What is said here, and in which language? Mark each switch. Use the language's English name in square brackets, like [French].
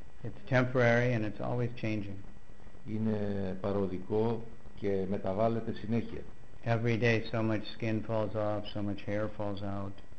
[English] It's temporary and it's always changing. [Greek] Είναι παροδικό και μεταβάλλεται συνέχεια. [English] Every day so much skin falls off, so much hair falls out.